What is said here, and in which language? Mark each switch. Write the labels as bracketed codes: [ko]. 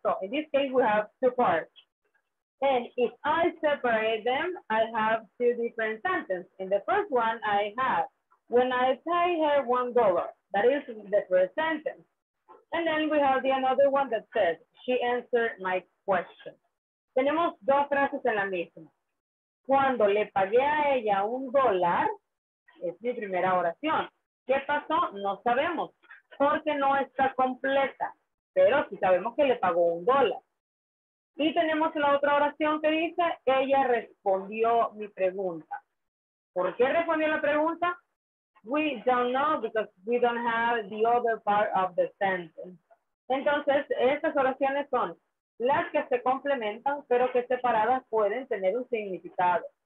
[en] So in this case, we have two parts. And if I separate them, I have two different sentences. In the first one, I have, when I pay her $1, that is the first sentence. And then we have the another one that says, she answered my question. [es] Tenemos dos frases en la misma. Cuando le pagué a ella $1, es mi primera oración. ¿Qué pasó? No sabemos, porque no está completa. Pero sí sabemos que le pagó $1. Y tenemos la otra oración que dice, ella respondió mi pregunta. ¿Por qué respondió la pregunta? [en] We don't know because we don't have the other part of the sentence. [es] Entonces, estas oraciones son las que se complementan, pero que separadas pueden tener un significado.